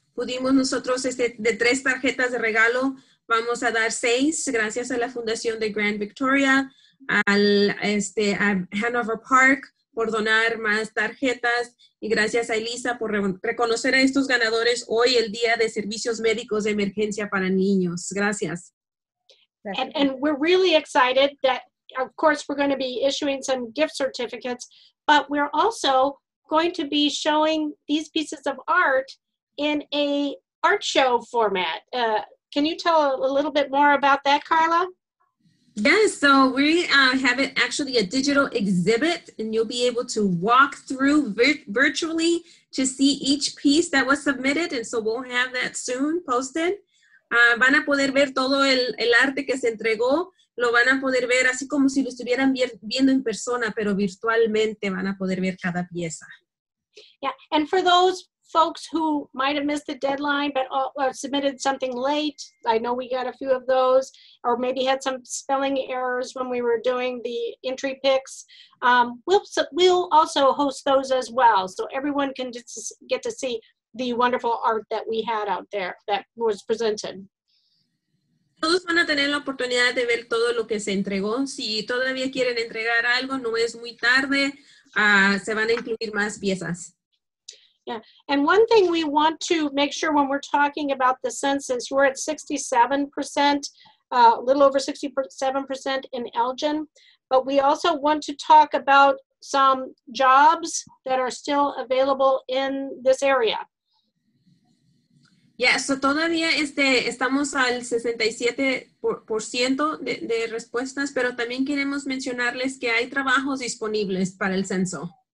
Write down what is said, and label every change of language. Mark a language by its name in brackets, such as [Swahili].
[Spanish] Pudimos nosotros de 3 tarjetas de regalo, vamos a dar 6 gracias a la Fundación de Grand Victoria, a Hanover Park, por donar más tarjetas, y gracias a Elisa por reconocer a estos ganadores hoy el Día de Servicios Médicos de Emergencia para Niños. Gracias. [English] And we're really excited that, of course, we're going to be issuing some gift certificates, but we're also going to be showing these pieces of art in a art show format. Can you tell a little bit more about that, Carla? Yes, so we have it actually a digital exhibit, and you'll be able to walk through virtually to see each piece that was submitted, and so we'll have that soon posted. [Spanish] Van a poder ver todo el arte que se entregó, lo van a poder ver así como si lo estuvieran viendo en persona, pero virtualmente van a poder ver cada pieza. [English] Yeah, and for those folks who might have missed the deadline but submitted something late, I know we got a few of those, or maybe had some spelling errors when we were doing the entry picks, we'll also host those as well, so everyone can just get to see the wonderful art that we had out there that was presented. [Spanish] Todos van a tener la oportunidad de ver todo lo que se entregó. Si todavía quieren entregar algo, no es muy tarde, se van a incluir más piezas. [English] Yeah, and one thing we want to make sure when we're talking about the census, we're at 67%, a little over 67% in Elgin, but we also want to talk about some jobs that are still available in this area. [Spanish] Yeah, so todavía estamos al 67% de respuestas, pero también queremos mencionarles que hay trabajos disponibles para el censo.